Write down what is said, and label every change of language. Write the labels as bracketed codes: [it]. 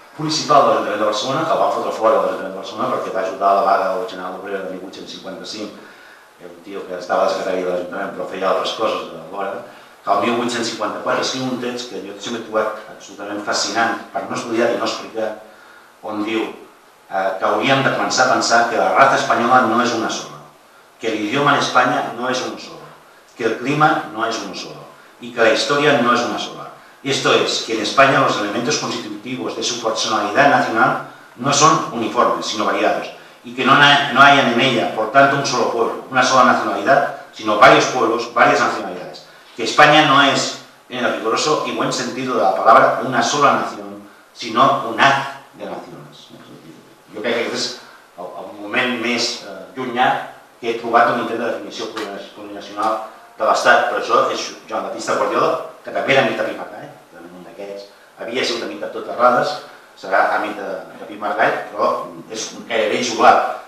[ca] municipal de l'Ajuntament de Barcelona, que el van fotre fora de l'Ajuntament de Barcelona perquè va ajudar a la vaga del general d'obrera de 1855, que era un tio que estava a la secretaria de l'Ajuntament però feia altres coses de l'hora, que el 1854 escriu un text que jo he trobat absolutament fascinant per no estudiar i no explicar, on diu que hauríem de començar a pensar que la raça espanyola no és una sola, que l'idioma en Espanya no és un sol, que el clima no és un sol i que la història no és una sola. [es] Esto es, que en España los elementos constitutivos de su personalidad nacional no son uniformes, sino variados, y que no hayan en ella, por tanto, un solo pueblo, una sola nacionalidad, sino varios pueblos, varias nacionalidades. Que España no es, en el riguroso y buen sentido de la palabra, una sola nación, sino un haz de naciones. Yo creo que es el momento más [ca] llunyà que he trobat [es] un intento de definición plurinacional [ca] de l'Estat, però això és Joan Batista Guardiola, que també era amic de Pi Margall, també un d'aquests, havia sigut amic de tot Terrades, serà amic de Pi Margall, però és un gairebé jugat.